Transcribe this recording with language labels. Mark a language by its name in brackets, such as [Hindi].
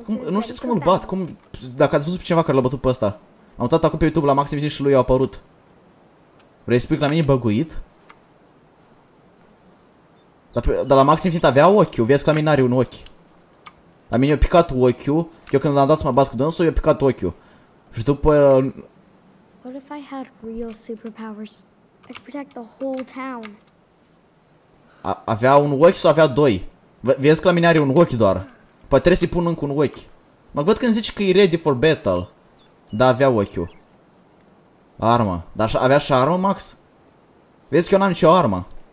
[Romanian] Nu știți cum îl bat, cum... Dacă ați văzut pe cineva care l-a bătut pe ăsta. Am uitat acum pe YouTube la Maxim și lui i-a apărut. Vrei să spui că la mine e băguit? Dar la Maxim Finit avea ochiul, vezi că la mine n-are un ochi. La mine i-a picat ochiul. Eu când l-am dat să mă bat cu dânsul, i-a picat ochiul. Și după... [English] What if I had real superpowers? I could protect the whole town. [Romanian] Avea un ochi sau avea doi? Vezi că la mine are un ochi doar. Poate trebuie să-i pun încă un ochi. Mă văd când zici că e [English] ready for battle. [Romanian] Dar avea ochiul. Armă. Dar avea și armă, Max? Vezi că eu n-am nicio armă.